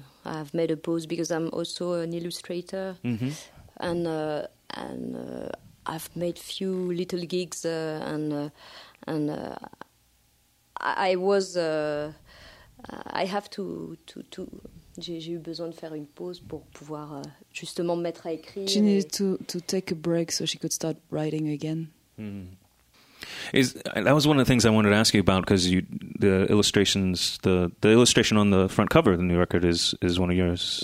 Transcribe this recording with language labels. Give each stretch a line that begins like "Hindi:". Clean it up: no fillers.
English: I've made a pause because I'm also an illustrator, and I've made few little gigs, I have to.
French: J'ai eu besoin de faire une pause pour pouvoir justement me mettre à écrire.
English: She needed to take a break so she could start writing again. Mm. That was one of the things I wanted to ask you about, because the illustration on the front cover of the new record is one of yours.